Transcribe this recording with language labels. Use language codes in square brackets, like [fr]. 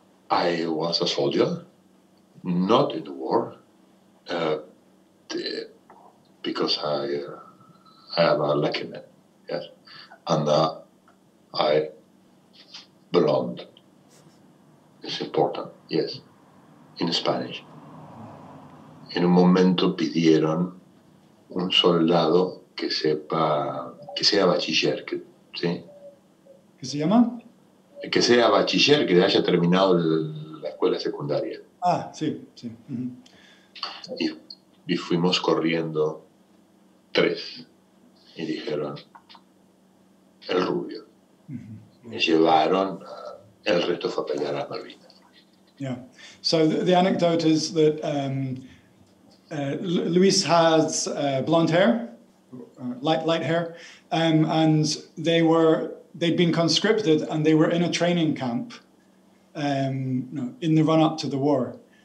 [en] I was a soldier, not in the war, because I am a lucky man, yes, and I belonged. It's important, yes, in Spanish. [es] En un momento pidieron un soldado que sepa, que sea bachiller, que, ¿sí? ¿Qué se llama? Que sea bachiller, que haya terminado la escuela secundaria. Ah, sí, sí. Uh-huh. Y fuimos corriendo tres y dijeron, el rubio. Uh-huh. Y llevaron, el resto fue a pelear a Malvinas. [en] Yeah, so the anecdote is that Luis has blonde hair, light hair, and they'd been conscripted and they were in a training camp in the run-up to the war.